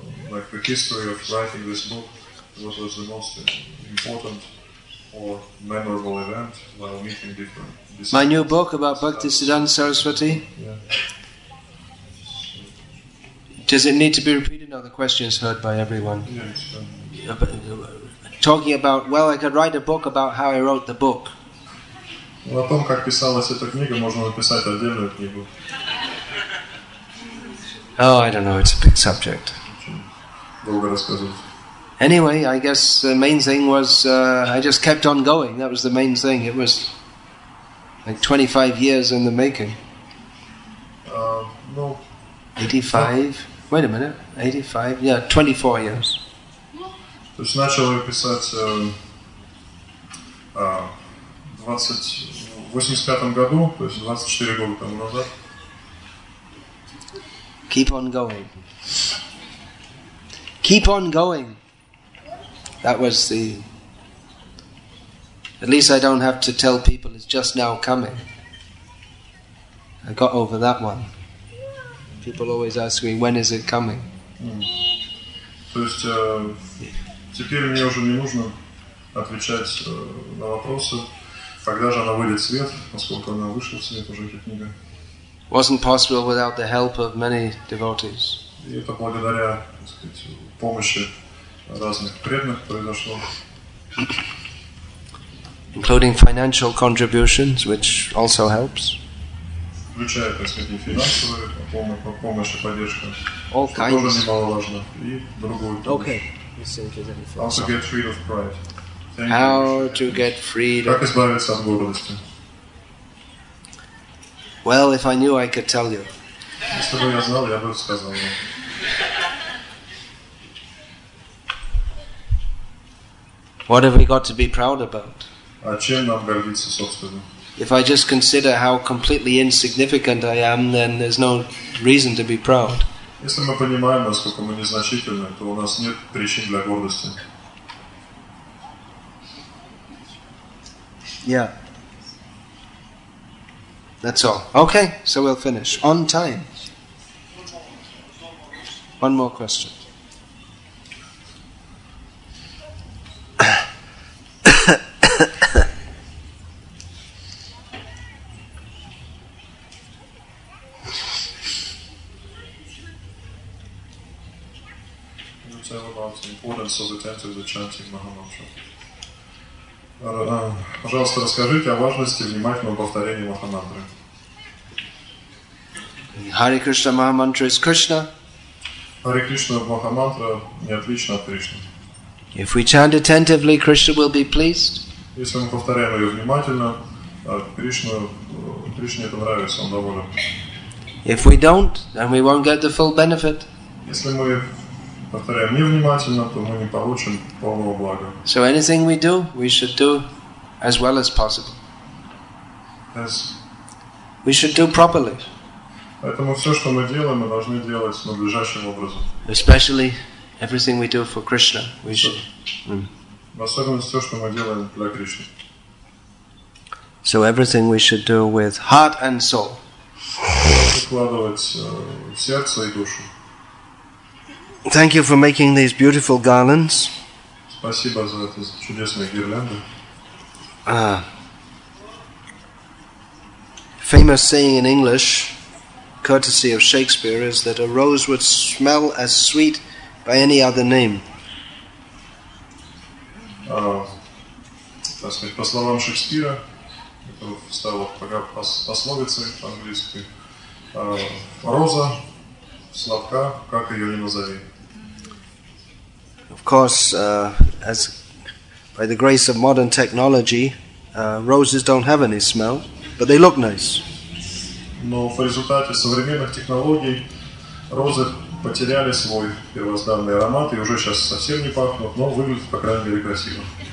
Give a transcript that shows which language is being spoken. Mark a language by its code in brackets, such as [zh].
[en] Like the history of writing this book, what was the most important or memorable event while meeting different disciples? My new book about Bhaktisiddhanta Saraswati? Yeah. Does it need to be repeated? No, the question is heard by everyone. Yeah, talking about, well, I could write a book about how I wrote the book. [ru] Well, о том, как писалась эта книга, можно написать отдельную книгу. [en] Oh, I don't know, it's a big subject. Anyway, I guess the main thing was I just kept on going. That was the main thing. It was like 25 years in the making. No. 85? Wait a minute. 85? Yeah, 24 years. [ru] То есть начал писать 85 году, то есть 24 года тому назад. [en] Keep on going. Keep on going. That was the... At least I don't have to tell people it's just now coming. I got over that one. People always ask me, when is it coming? [ru] То есть теперь мне уже не нужно отвечать на вопросы, когда же она выйдет в свет, поскольку она вышла в свет уже, эта книга. [en] Wasn't possible without the help of many devotees. [ru] И это благодаря, так сказать, помощи разных преданных произошло. [en] Including financial contributions, which also helps. [ru] Включая, так сказать, и финансовую помощь и поддержку. [en] All kinds. [ru] Тоже немаловажно. И другую помощь. [en] Okay. How to get free of pride. How to get free [ru] of... Как избавиться от гордости? [en] Well, if I knew, I could tell you. [ru] Если бы я знал, я бы сказал вам. [en] What have we got to be proud about? [ru] А чем нам гордиться, собственно? [en] If I just consider how completely insignificant I am, then there's no reason to be proud. [ru] Если мы понимаем, насколько мы незначительны, то у нас нет причин для гордости. [en] Yeah. That's all. Okay, so we'll finish. On time. One more question. Can you tell about the importance of the tantra, the chanting Mahamantra? [ru] Пожалуйста, расскажите о важности внимательного повторения Mahamantra. [en] Hare Krishna Mahamantra is Krishna. [ru] Hare Krishna Mahamantra не отлично от Кришны. [en] If we chant attentively, Krishna will be pleased. [ru] Если мы повторяем ее внимательно, Кришне это нравится, он доволен. [en] If we don't, then we won't get the full benefit. [ru] Если мы повторяем невнимательно, то мы не получим полного блага. [en] So anything we do, we should do as well as possible. Yes. We should do properly. [ru] Поэтому все, что мы делаем, мы должны делать надлежащим образом. [en] Especially everything we do for Krishna, we should. [ru] В особенности все, что мы делаем для Кришны. [en] So everything we should do with heart and soul. [ru] Вкладывать сердце и душу. [en] Thank you for making these beautiful garlands. [ru] Спасибо за эти чудесные гирлянды. [en] Famous saying in English, courtesy of Shakespeare, is that a rose would smell as sweet by any other name. [ru] Так сказать, по словам Шекспира, это стало пока пословицей по-английски, роза сладка, как ее ни назови. [en] Of course, as by the grace of modern technology, roses don't have any smell, but they look nice. [ru] Но в результате современных технологий розы потеряли свой первозданный аромат и уже сейчас совсем не пахнут, но выглядят по крайней мере красиво.